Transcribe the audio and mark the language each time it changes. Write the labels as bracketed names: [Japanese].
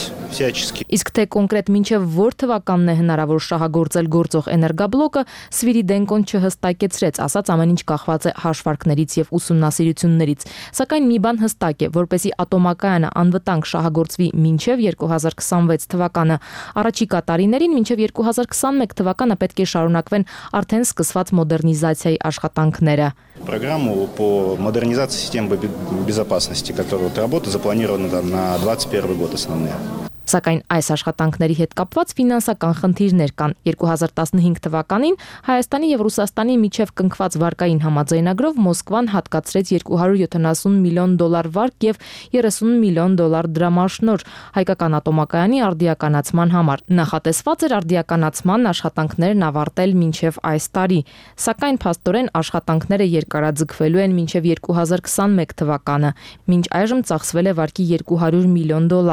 [Armenian] Իսկ թե կոնկրետ մինչև որ թվականն է հնարավոր շահագործել գործող էներգաբլոկը, Սվիրիդենկոն չհստակեցրեց, ասաց ամեն ինչ կախված է հաշվարկներից և ուսումնասիրություններից, սակայն մի բան հստակ է, որպեսի ատոմակայանը անվտանգ շահագործվի մինչև 2026 թվականը, առաջիկա տարիներին մինչև 2021 թվականը պետք է շարունակվեն արդեն սկսված մոդեռնիզացիայի աշխատանքները։ [Russian] Программу по модернизации системы безопасности, которая вот работает, запланирована на 2021 год основные. [Armenian] Սակայն այս աշխատանքների հետ կապված ֆինանսական խնդիրներ կան։ 2015 թվականին Հայաստանի եւ Ռուսաստանի միջև կնքված վարկային համաձայնագրով Մոսկվան հատկացրեց $270 միլիոն վարկ եւ $30 միլիոն դրամաշնոր հայկական ատոմակայանի արդիականացման համար։ Նախատեսված էր արդիականացման աշխատանքներն ավարտել միջև այս տարի, սակայն փաստորեն աշխատանքները երկարաձգվելու են միջև 2021 թվականը, մինչ այժմ ծախսվել է վարկի $200 միլիոն